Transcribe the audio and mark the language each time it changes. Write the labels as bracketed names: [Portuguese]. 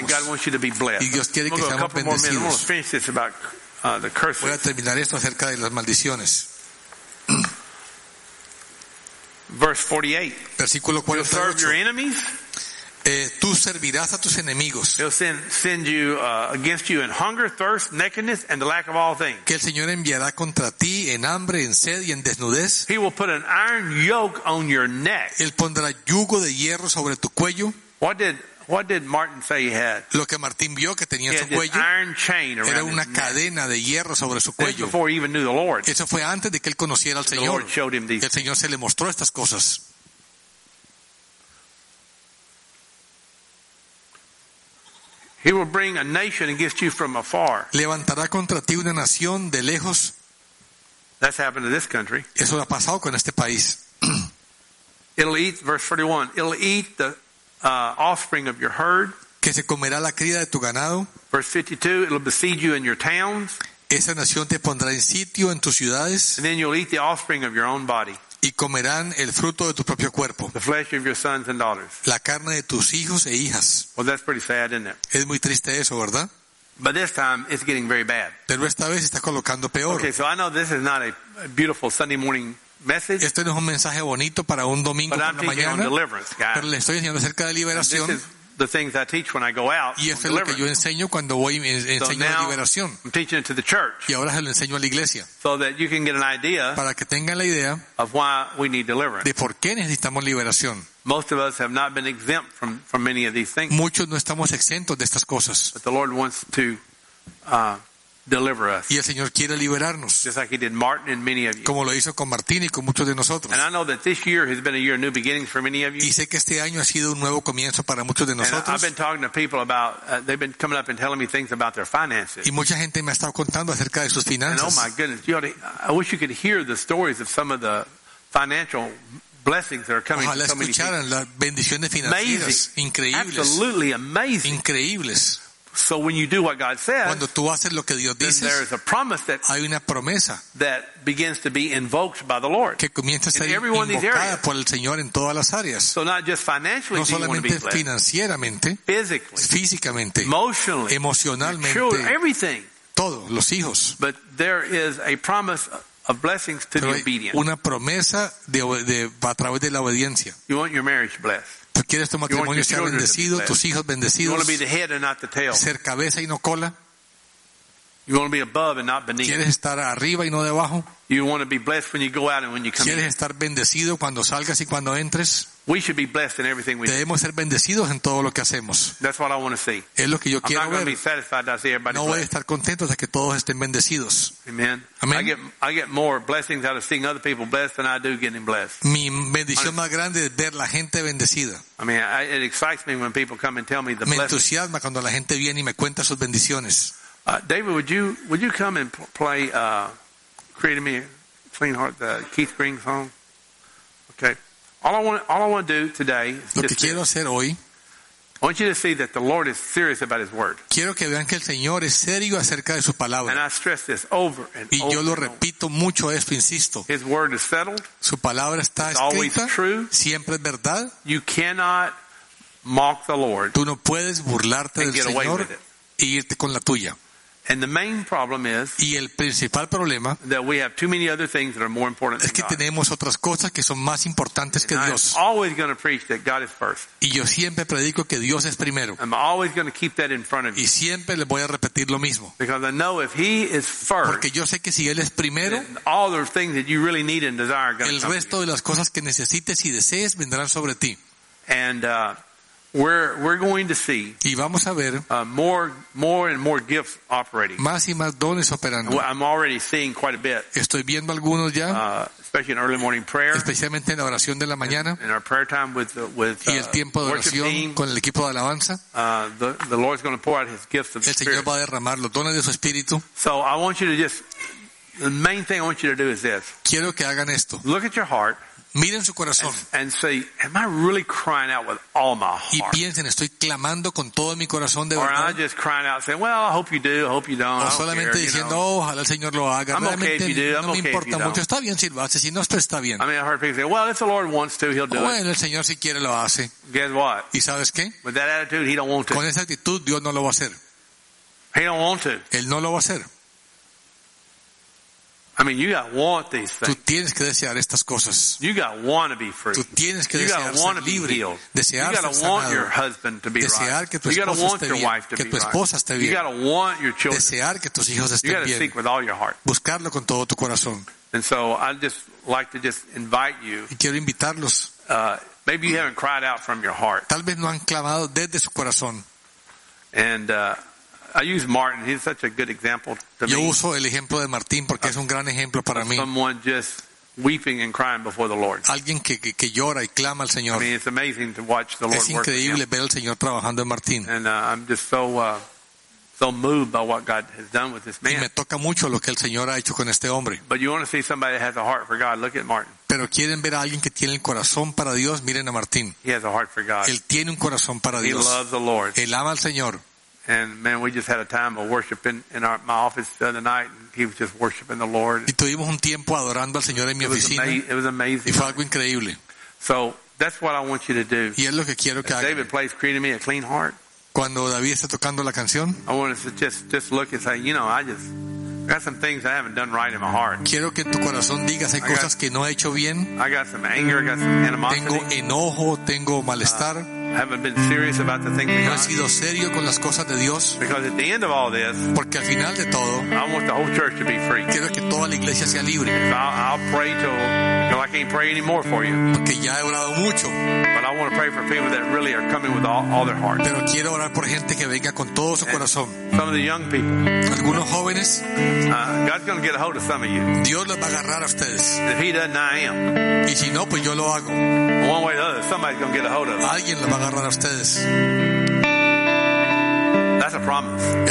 [English] And God wants you to be blessed. [Spanish] Y Dios quiere [English] we'll [Spanish] que seamos bendecidos. [English] We'll go a couple more minutes. We'll finish this about the curses. [Spanish] Voy a terminar esto acerca de las maldiciones. [English] Verse 48. [Spanish] Versículo 48. [English] You'll serve your enemies. [Spanish] Tú servirás a tus enemigos. [English] He'll send you against you in hunger, thirst, nakedness, and the lack of all things. [Spanish] Que el Señor enviará contra ti en hambre, en sed y en desnudez. [English] He will put an iron yoke on your neck. [Spanish] Él pondrá yugo de hierro sobre tu cuello. [English] What did Martin say he had? [Spanish] Lo que Martín vio que tenía en su cuello. [English] Iron chain around [Spanish] era una [English] his [Spanish] cadena [English] neck. [Spanish] De hierro sobre su cuello. [English] Before he even knew the Lord. [Spanish] Eso fue antes de que él conociera al [English] the [Spanish] Señor. [English] Lord showed him these [Spanish] el Señor [English] things. [Spanish] Se le mostró estas cosas. [English] He will bring a nation against you from afar. [Spanish] Levantará contra ti una nación de lejos. [English] That's happened to this country. [Spanish] Eso ha pasado con este país. [English] It'll eat, verse 41, it'll eat the offspring of your herd. [Spanish] Que se comerá la cría de tu ganado. [English] Verse 52, it'll besiege you in your towns. [Spanish] Esa nación te pondrá en sitio en tus ciudades. [English] And then you'll eat the offspring of your own body. [Spanish] Y comerán el fruto de tu propio cuerpo. [English] The flesh of your sons and daughters. [Spanish] La carne de tus hijos e hijas. [English] Well, that's pretty sad, isn't it? [Spanish] Es muy triste eso, ¿verdad? [English] But this time it's getting very bad. [Spanish] Pero esta vez está colocando peor. [English] Okay, so I know this is not a beautiful Sunday morning message. [Spanish] Este no es un mensaje bonito para un domingo por la mañana. [English] But I'm teaching on deliverance, guys. [Spanish] Pero le estoy enseñando acerca de liberación. [English] And this is the things I teach when I go out. [Spanish] Y esto es lo que yo enseño cuando voy enseño [English] so [Spanish] de liberación. [English] I'm teaching it to the church. [Spanish] Y ahora se lo enseño a la iglesia. [English] So that you can get an idea. [Spanish] Para que tengan la idea. [English] Of why we need deliverance. [Spanish] De por qué necesitamos liberación. [English] Most of us have not been exempt from many of these things. [Spanish] Muchos no estamos exentos de estas cosas. [English] But the Lord wants to deliver us. [Spanish] Y el Señor quiere liberarnos. [English] Just like He did Martin and many of you. [Spanish] Como lo hizo con Martín y con muchos de nosotros. [English] And I know that this year has been a year of new beginnings for many of you. [Spanish] Y sé que este año ha sido un nuevo comienzo para muchos de nosotros. [English] And I've been talking to people about they've been coming up and telling me things about their finances. [Spanish] Y mucha gente me ha estado contando acerca de sus finanzas. [English] And oh my goodness, I wish you could hear the stories of some of the financial blessings that are coming. [Spanish] Ojalá escucharan las bendiciones financieras. [English] Amazing. [Spanish] Increíbles. [English] Absolutely amazing. [Spanish] Increíbles. [English] So when you do what God says, [Spanish] cuando tú haces lo que Dios dice, [English] then there is a promise that, [Spanish] hay una promesa [English] that begins to be invoked by the Lord. [Spanish] Que comienza a ser invocada por el Señor en todas las áreas. [English] So not just financially, [Spanish] no solamente financieramente, [English] physically, [Spanish] físicamente, [English] emotionally, [Spanish] emocionalmente, [English] your children, everything. [Spanish] Todos los hijos. [English] But there is a promise of blessings to the obedient. [Spanish] Una promesa de a través de la obediencia. [English] You want your marriage blessed. [Spanish] Tú quieres tu matrimonio sea bendecido, tus hijos bendecidos. [English] You want to be the head and not the tail. [Spanish] Ser cabeza y no cola. [English] You want to be above and not beneath. [Spanish] Quieres estar arriba y no debajo. [English] You want to be blessed when you go out and when you come in. [Spanish] Quieres estar bendecido cuando salgas y cuando entres. [English] We should be blessed in everything we do. [Spanish] Debemos ser bendecidos en todo lo que hacemos. [English] That's what I want to see. [Spanish] Es lo que yo quiero ver. [English] I'm not going to be satisfied until everybody's blessed. [Spanish] No voy a estar contento hasta que todos estén bendecidos. [English] Amen. [Spanish] Amen. [English] I get more blessings out of seeing other people blessed than I do getting blessed. [Spanish] Mi bendición más grande es ver la gente bendecida. [English] I mean, it excites me when people come and tell me the blessings. [Spanish] Me entusiasma cuando la gente viene y me cuenta sus bendiciones. [English] David, would you come and play Creating Me a Clean Heart, the Keith Green song? Okay. All I want to do today is [Spanish] lo que quiero hacer hoy, [English] I want you to see that the Lord is serious about His word. [Spanish] Quiero que vean que el Señor es serio acerca de su palabra. [English] And I stress this over and over. [Spanish] Y yo lo repito mucho esto, insisto. [English] His word is settled. [Spanish] Su palabra está escrita. [English] Always true. [Spanish] Siempre es verdad. [English] You cannot mock the Lord. [Spanish] Tú no puedes burlarte del Señor. [English] And get away with it. [Spanish] E irte con la tuya. [English] And the main problem is [Spanish] y el principal problema [English] that we have too many other things that are more important than [Spanish] es que [English] God. [Spanish] Tenemos otras cosas que son más importantes [English] and [Spanish] que [English] I [Spanish] Dios. [English] I'm always going to preach that God is first. [Spanish] Y yo siempre predico que Dios es primero. [English] I'm always going to keep that in front of you. [Spanish] Y siempre le voy a repetir lo mismo. [English] Because I know if He is first, [Spanish] porque yo sé que si Él es primero, [English] all the things that you really need and desire are going to come. [Spanish] El resto de las cosas que necesites y desees vendrán sobre ti. [English] And We're going to see [Spanish] y vamos a ver [English] more and more gifts operating. [Spanish] Más y más dones operando. [English] I'm already seeing quite a bit. [Spanish] Estoy viendo algunos ya. [English] Especially in early morning prayer, [Spanish] especialmente en la oración de la mañana, [English] in our prayer time with [Spanish] y el tiempo de oración [English] team, [Spanish] con el equipo de alabanza, [English] the Lord's going to pour out His gifts of the Spirit. [Spanish] El Señor va a derramar los dones de su Espíritu. [English] So I want you to just the main thing I want you to do is this. [Spanish] Quiero que hagan esto. [English] Look at your heart. [Spanish] Miren su corazón. [English] And say, am I really crying out with all my heart? [Spanish] Y piensen, estoy clamando con todo mi corazón de verdad. [English] Or am I just crying out, saying, well, I hope you do, I hope you don't. [Spanish] O solamente [English] care, [Spanish] diciendo, [English] you know? [Spanish] Oh, ojalá el Señor lo haga. [English] I'm [Spanish] realmente [English] okay if you do. [Spanish] No me importa [English] okay [Spanish] mucho. Está bien si lo hace. Si no, está bien. [English] I mean, I've heard people say, well, if the Lord wants to, He'll do it. [Spanish] Bueno, el Señor si quiere lo hace. [English] Guess what? [Spanish] ¿Y sabes qué? [English] With that attitude, He don't want to. [Spanish] Con esa actitud, Dios no lo va a hacer. [English] He don't want to. [Spanish] Él no lo va a hacer. [English] I mean, you got to want these things. [Spanish] Tú tienes que desear estas cosas. [English] You got to want to be free. [Spanish] Tú tienes que desear ser libre. [English] got to want to be healed. You got to want your husband to be right. [Spanish] Desear que tu esposo esté bien. [English] You got to want your wife to [Spanish] que tu esposa esté bien. [English] You got to want your children. [Spanish] Desear que tus hijos estén bien. [English] You got to seek with all your heart. [Spanish] Buscarlo con todo tu corazón. [English] And so I'd just like to just invite you. [Spanish] Y quiero invitarlos. [English] Maybe you haven't cried out from your heart. [Spanish] Tal vez no han clamado desde su corazón. [English] And I use Martin. He's such a good example to me. [Spanish] Yo uso el ejemplo de Martín porque es un gran ejemplo para mí. [English] Someone just weeping and crying before the Lord. [Spanish] Alguien que llora y clama al Señor. [English] I mean, it's amazing to watch the Lord work. [Spanish] Es increíble ver al Señor trabajando en Martín. [English] And I'm just so moved by what God has done with this man. [Spanish] Y me toca mucho lo que el Señor ha hecho con este hombre. [English] But you want to see somebody that has a heart for God? Look at Martin. [Spanish] Pero quieren ver a alguien que tiene el corazón para Dios? Miren a Martín. [English] He has a heart for God. [Spanish] Él tiene un corazón para Dios. [English] He loves the Lord. [Spanish] Él ama al Señor. [English] And man, we just had a time of worship in my office the other night, and he was just worshiping the Lord. [Spanish] Y tuvimos un tiempo adorando al Señor en mi oficina. [English] It was amazing. [Spanish] Y fue algo increíble. [English] So that's what I want you to do. [Spanish] Y es lo que quiero que hagan. [English] David plays creating me a clean heart. [Spanish] Cuando David está tocando la canción. [English] I want to just look and say, you know, I got some things I haven't done right in my heart. [Spanish] Quiero que en tu corazón digas, hay cosas que no he hecho bien. [English] I got some anger, I got some animosity. [Spanish] Tengo enojo, tengo malestar. [English] I haven't been serious about the things of God. [Spanish] No he sido serio con las cosas de Dios. [English] Because at the end of all this, [Spanish] porque al final de todo, [English] I want the whole church to be free. [Spanish] Quiero que toda la iglesia sea libre. [English] I'll pray till, you know, I can't pray anymore for you. [Spanish] Porque ya he orado mucho. [English] But I want to pray for people that really are coming with all their heart. [Spanish] Pero quiero orar por gente que venga con todo su corazón. [English] Some of the young people. [Spanish] Algunos jóvenes. [English] God's going to get a hold of some of you. [Spanish] Dios los va a agarrar a ustedes. [English] If he doesn't, I am. [Spanish] Y si no, pues yo lo hago. [English] One way or another, somebody's going to get a hold of them. [Spanish] Alguien lo va a agarrar a ustedes. [English] That's a promise.